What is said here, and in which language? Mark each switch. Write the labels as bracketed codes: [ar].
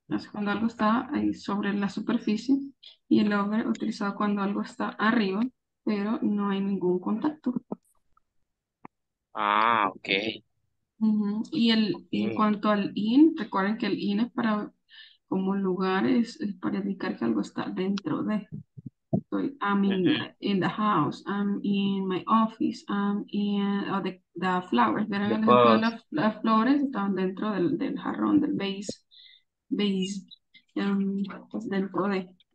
[es] Es cuando algo está ahí sobre la superficie y el over utilizado cuando algo está arriba, pero no hay ningún contacto. Ah, ok. Y el, okay. En cuanto al in, recuerden que el in es para como lugar, es para indicar que algo está dentro de. Estoy, [en] I'm in the house, I'm in my office, I'm in the flowers. [es] Verán el ejemplo de las flores, están dentro del jarrón, del vase, pues dentro de.